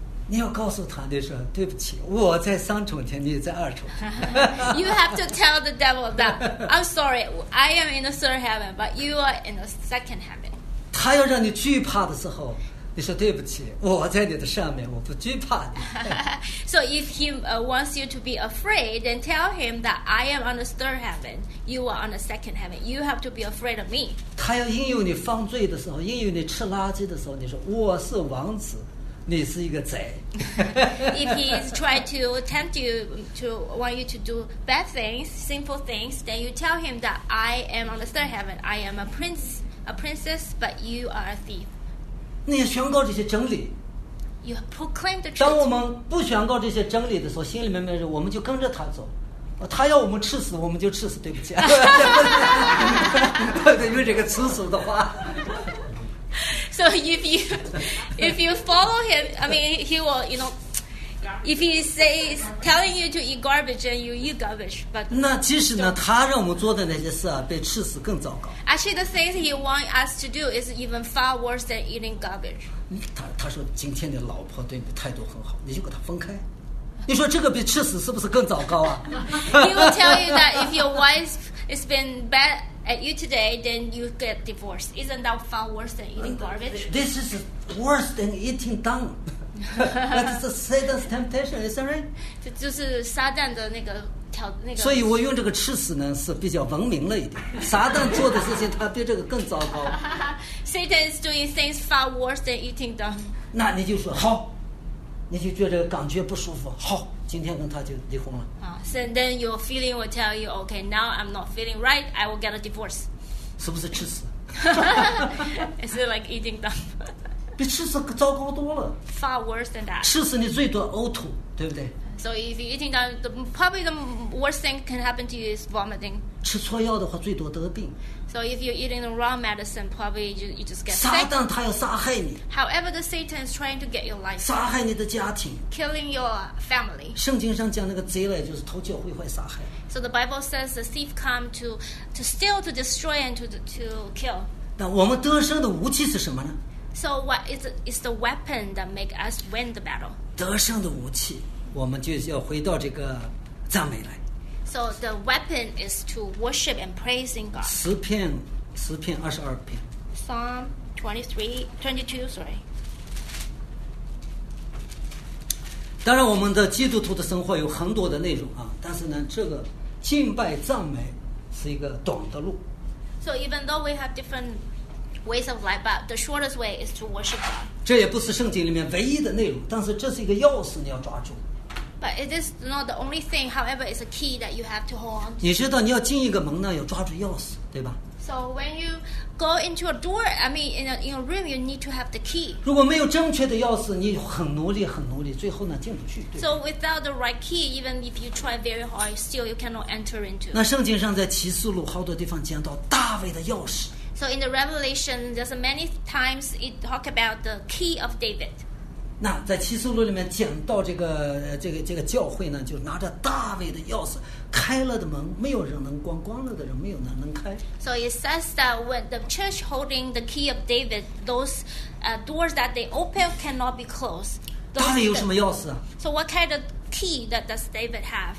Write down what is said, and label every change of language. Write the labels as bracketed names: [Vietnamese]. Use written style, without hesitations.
[Chinese] 你要告诉他的是，对不起，我在三重天，你在二重天。 [English] You have to tell the devil that I'm sorry. I am in the third heaven, but you are in the second heaven. [Chinese] 他要让你惧怕的时候。你说对不起，我在你的上面，我不惧怕你。 [English] So if he wants you to be afraid, then tell him that I am on the third heaven, you are on the second heaven. You have to be afraid of me. [Chinese] 他要应用你犯罪的时候，应用你吃垃圾的时候，你说我是王子，你是一个贼。 [English] If he is trying to tempt you to want you to do bad things, sinful things, then you tell him that I am on the third heaven. I am a princess, but you are a thief. [Chinese] 你宣告这些真理。 [English] You proclaim the truth. [Chinese] 当我们不宣告这些真理的时候，心里面没有，我们就跟着他走。他要我们吃死，我们就吃死。对不起，对，用这个吃死的话。 [English] So if you follow him, I mean, he will, you know, if he says telling you to eat garbage, then you eat garbage. But [Chinese] 那即使呢，他让我们做的那些事啊，被吃死更糟糕。 [English] Actually, the things he wants us to do is even far worse than eating garbage. [Chinese] 他说今天的老婆对你的态度很好，你就跟他分开。你说这个比吃死是不是更糟糕啊？ [English] He will tell you that if your wife has been bad at you today, then you get divorced. Isn't that far worse than eating garbage? This is worse than eating dung. That's Satan's temptation, isn't right? [Chinese] 这就是撒旦的那个。所以我用这个吃死呢是比较文明了一点，撒旦做的事情他比这个更糟糕。 [English] Satan is doing things far worse than eating them. [Chinese] 那你就说好，你就觉得感觉不舒服，好，今天跟他就离婚了。 [English] So then your feeling will tell you, okay, now I'm not feeling right, I will get a divorce. [Chinese] 是不是吃死？ [English] Is it like eating them? [Chinese] 比吃死糟糕多了。 [English] Far worse than that. [Chinese] 吃死你最多呕吐，对不对？ [English] So if you're eating that, probably the worst thing can happen to you is vomiting. [Chinese] 吃错药的话，最多得病。 [English] So if you're eating the wrong medicine, probably you just get sick. [Chinese] 撒旦他要杀害你。 [English] However, the Satan is trying to get your life. [Chinese] 杀害你的家庭。 [English] Killing your family. [Chinese] 圣经上讲那个贼来就是偷窃毁坏杀害。 [English] So the Bible says the thief come to steal, to destroy, and to kill. [Chinese] 那我们得胜的武器是什么呢？ [English] So what is the weapon that make us win the battle? [Chinese] 得胜的武器。我们就要回到这个赞美来。 [English] So the weapon is to worship and praising God. [Chinese] 诗篇二十二篇。 [English] Psalm 23:22, sorry. [Chinese] 当然，我们的基督徒的生活有很多的内容啊，但是呢，这个敬拜赞美是一个短的路。 [English] So even though we have different ways of life, but the shortest way is to worship God. [Chinese] 这也不是圣经里面唯一的内容，但是这是一个钥匙，你要抓住。 [English] But it is not the only thing. However, it's a key that you have to hold on to. [Chinese] 你知道你要进一个门呢，要抓住钥匙，对吧？ [English] So when you go into a door, I mean, in a room, you need to have the key. [Chinese] 如果没有正确的钥匙，你很努力，很努力，最后呢进不去。 [English] So without the right key, even if you try very hard, still you cannot enter into. [Chinese] 那圣经上在启示录好多地方讲到大卫的钥匙。 [English] So in the Revelation, there's many times it talk about the key of David. [Chinese] 那在启示录里面讲到这个教会呢，就拿着大卫的钥匙。开了的门没有人能关，关了的人没有人能开。 [English] So it says that when the church holding the key of David, those doors that they open cannot be closed. [Chinese] 大卫有什么钥匙啊？ [English] So what kind of key that does David have?